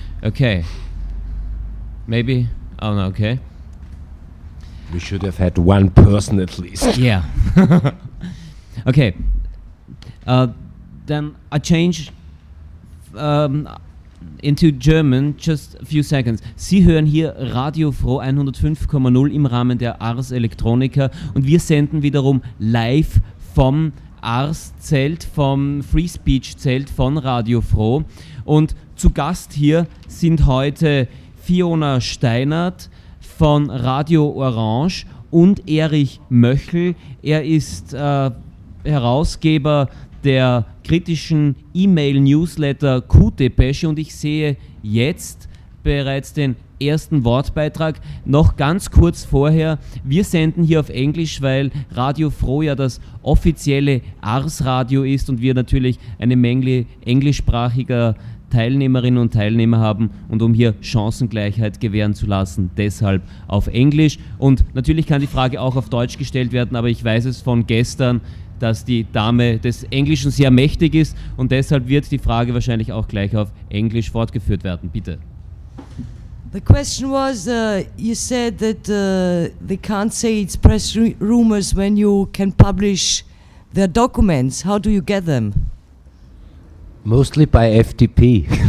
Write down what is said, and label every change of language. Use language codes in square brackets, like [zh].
[en] Okay. Maybe. Oh, no, okay. We should have had one person at least. Yeah. Okay. Then I change into German, just a few seconds. [de] Sie hören hier Radio Froh 105,0 im Rahmen der Ars Electronica und wir senden wiederum live vom Ars-Zelt, vom Free Speech-Zelt von Radio Froh. Und zu Gast hier sind heute Fiona Steinert von Radio Orange und Erich Möchel. Er ist Herausgeber der kritischen E-Mail-Newsletter Q-Depesche und ich sehe jetzt bereits den ersten Wortbeitrag. Noch ganz kurz vorher, wir senden hier auf Englisch, weil Radio Froh ja das offizielle Ars-Radio ist und wir natürlich eine Menge englischsprachiger Teilnehmerinnen und Teilnehmer haben und um hier Chancengleichheit gewähren zu lassen, deshalb auf Englisch. Und natürlich kann die Frage auch auf Deutsch gestellt werden, aber ich weiß es von gestern, dass die Dame des Englischen sehr mächtig ist und deshalb wird die Frage wahrscheinlich auch gleich auf Englisch fortgeführt werden. Bitte. [en] The question was, you said that they can't say it's press rumors when you can publish their documents. How do you get them? Mostly by FTP.